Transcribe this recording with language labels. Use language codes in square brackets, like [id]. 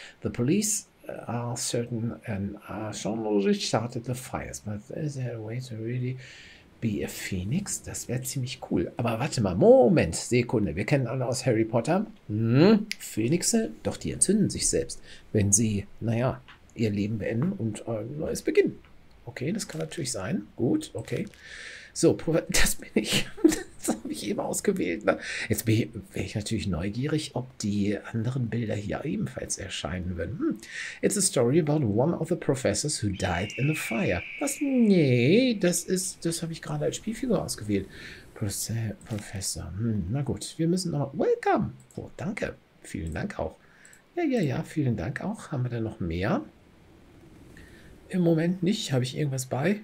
[en] The police are certain an arsonist started the fires, but is there a way to really be a Phoenix? [de] Das wäre ziemlich cool. Aber warte mal, Moment, Sekunde. Wir kennen alle aus Harry Potter. Phoenixe, doch die entzünden sich selbst, wenn sie, naja, ihr Leben beenden und ein neues beginnen. Okay, das kann natürlich sein. Gut, okay. So, das bin ich. Habe ich eben ausgewählt. Ne? Jetzt wäre ich natürlich neugierig, ob die anderen Bilder hier ebenfalls erscheinen würden. [en] It's a story about one of the professors who died in a fire. [de] Was? Nee, das habe ich gerade als Spielfigur ausgewählt. Professor. Na gut, wir müssen noch. Welcome! Oh, danke. Vielen Dank auch. Ja, vielen Dank auch. Haben wir da noch mehr? Im Moment nicht. Habe ich irgendwas bei?